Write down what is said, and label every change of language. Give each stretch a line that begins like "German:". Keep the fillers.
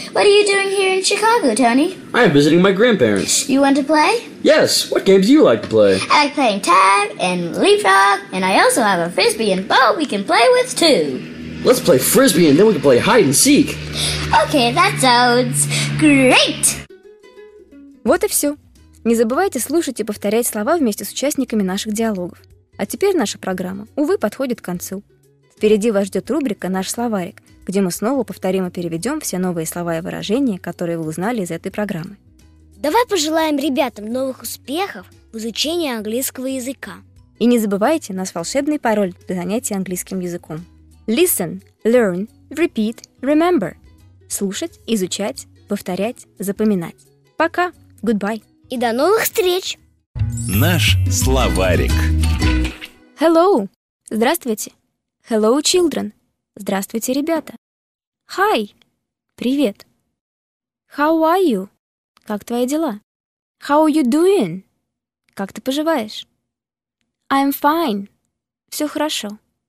English: What are you doing here in Chicago, Tony? I am visiting my grandparents. You want to play? Yes, what games do you like to play? I like playing tag and leapfrog, and I also have a frisbee and bow we can play with too. Let's play frisbee and then we can play hide and seek. Okay, that sounds great.
Russian: Вот и все. Не забывайте слушать и повторять слова вместе с участниками наших диалогов. А теперь наша программа, увы, подходит к концу. Впереди вас ждет рубрика «Наш словарик», где мы снова повторим и переведем все новые слова и выражения, которые вы узнали из этой программы. Давай пожелаем ребятам новых успехов в изучении английского языка. И не забывайте наш волшебный пароль для занятий английским языком.
English: Listen, learn, repeat, remember.
Russian: Слушать, изучать, повторять, запоминать. Пока.
English: Goodbye.
Russian: И до новых встреч! Наш словарик.
English: Hello.
Russian: Здравствуйте.
English: Hello, children.
Russian: Здравствуйте, ребята.
English: Hi.
Russian: Привет.
English: How are you?
Russian: Как твои дела?
English: How you doing?
Russian: Как ты поживаешь?
English: I'm fine.
Russian: Все хорошо.